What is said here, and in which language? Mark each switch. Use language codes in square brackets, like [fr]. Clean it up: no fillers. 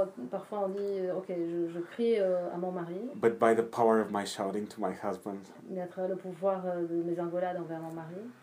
[fr] Parfois on dit, okay, je crie à mon mari. [en] But by the power of my shouting to my husband. [fr] Mais à travers le pouvoir de mes engueulades envers mon mari.